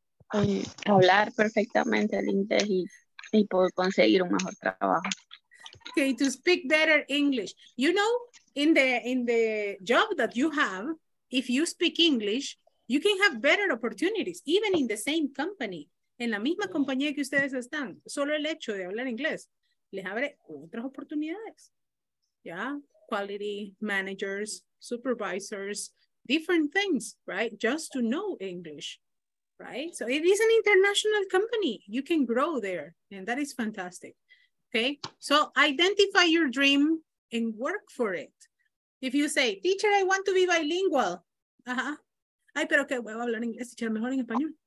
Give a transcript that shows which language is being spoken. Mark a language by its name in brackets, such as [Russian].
[Spanish] Hablar perfectamente el inglés y poder conseguir un mejor trabajo. [English] Okay, to speak better English. You know, in the job that you have, if you speak English, you can have better opportunities, even in the same company. [Spanish] En la misma compañía que ustedes están, solo el hecho de hablar inglés les abre otras oportunidades. [English] Yeah, quality managers, supervisors, different things, right? Just to know English, right? So it is an international company. You can grow there, and that is fantastic. Okay, so identify your dream and work for it. If you say, teacher, I want to be bilingual. [Spanish] Ay, pero que voy a hablar inglés, teacher, mejor en español.